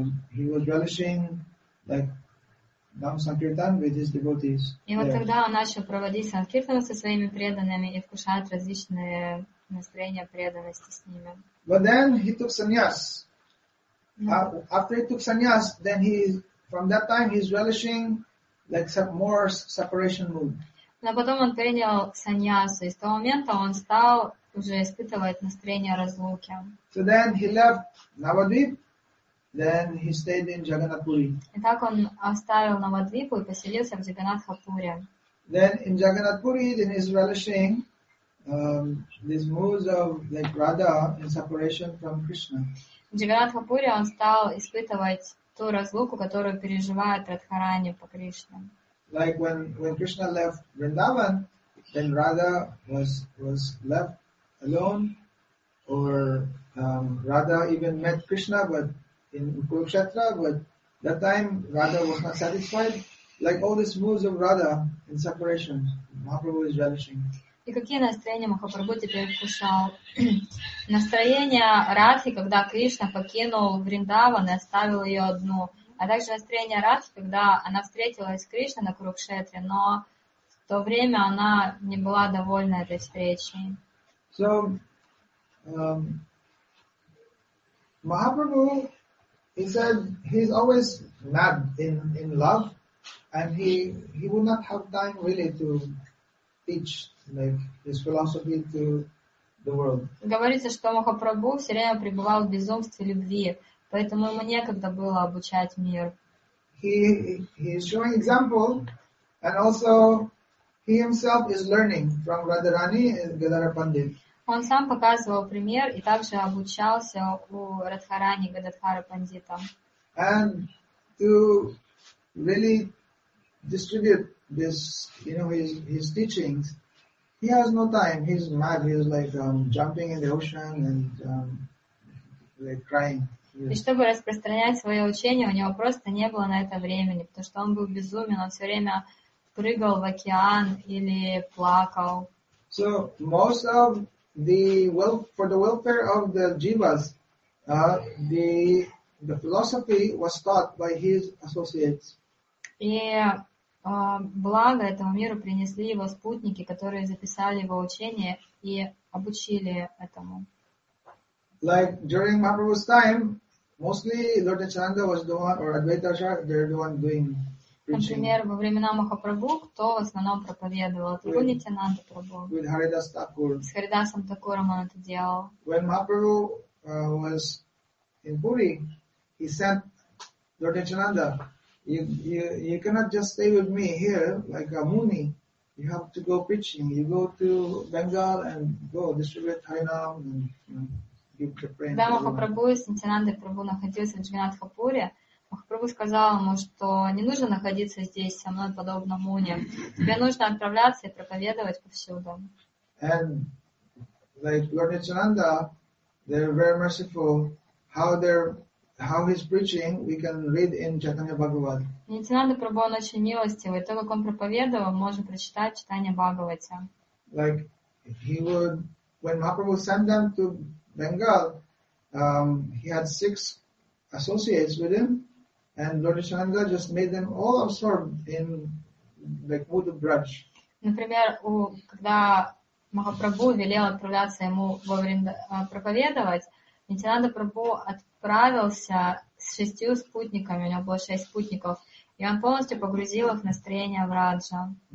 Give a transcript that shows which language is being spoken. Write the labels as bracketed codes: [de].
[en] He was relishing like nam sankirtan with his devotees. [ru] И вот тогда он начал проводить санкиртану со своими преданными и вкушать различные настроения преданности с ними. [en] But then he took sannyas. After he took sannyas, then he from that time he's relishing like some more separation mood. [ru] Но потом он принял саньясу, и с того момента он стал уже испытывать настроение разлуки. [en] So then he left Navadvip, then he stayed in Jagannath Puri. [ru] И так он оставил Навадвипу и поселился в Джаганатхапуре. [en] Then in Jagannath Puri, then he's relishing these moods of like Radha in separation from Krishna. [ru] В Джаганатхапуре он стал испытывать ту разлуку, которую переживает Радхарани по Кришне. [en] Like when Krishna left Vrindavan, then Radha was left alone, or Radha even met Krishna, but in Kurukshetra, but that time Radha was not satisfied. Like all these moods of Radha in separation, Mahaprabhu is relishing. [ru] И какие настроения Махапрабху теперь вкушал? Настроение Радхи, когда Кришна покинул Вриндаван и оставил ее одну. А также настроение Радхи, когда она встретилась с Кришной на Курукшетре, но в то время она не была довольна этой встречей. [en] So, Махапрабху, he said, he's always mad in love, and he would not have time really to teach his philosophy to the world. [ru] Говорится, что Махапрабху все время пребывал в безумстве любви, поэтому ему некогда было обучать мир. [en] He is showing example, and also he himself is learning from Radharani and Gadadhara Pandit. [ru] Он сам показывал пример и также обучался у Радхарани и Гададхара Пандита. [en] And to really distribute this, his teachings, he has no time. He's mad. He's like jumping in the ocean and crying. [ru] И чтобы распространять свое учение, у него просто не было на это времени, потому что он был безумен. Он все время прыгал в океан или плакал. [en] So most of the welfare of the jivas, the The philosophy was taught by his associates. [ru] И благо этого миру принесли его спутники, которые записали его учение и обучили этому. [en] Like during Mahaprabhu's time, mostly Lord Nityananda was the one, or Advaita Acharya, they're the one doing preaching. [ru] Например, во времена Махапрабху, кто в основном проповедовал? Это Нитянанда Прабху. [en] With Haridas Thakur. [ru] С Харидасом Такуром он это делал. [en] When Mahaprabhu was in Puri, he sent Lord Nityananda. You cannot just stay with me here like a muni. You have to go preaching. You go to Bengal and go distribute Harinam and, you know. [ru] Когда Махапрабху и Нитянанда Прабху находился в Джаганнатхапуре, Махапрабху сказал ему, что не нужно находиться здесь со мной подобно муне. Тебе нужно отправляться и проповедовать повсюду. [en] And like Lord Nityananda, they're very merciful. How he's preaching, we can read in Chaitanya Bhagavad. [ru] Нитянанда Прабху он очень милостивый. То, как он проповедовал, можно прочитать Читание Бхагавате. [en] Like he would, when Mahaprabhu sent them to Bengal, he had six associates with him, and Lord Nityananda just made them all absorbed in like Mudu Braj. [ru] Например, когда Махапрабху велел отправляться ему во время проповедовать, Нитянанда Прабху отправился с шестью спутниками, у него было шесть спутников, и он полностью погрузил их в настроение в Раджа.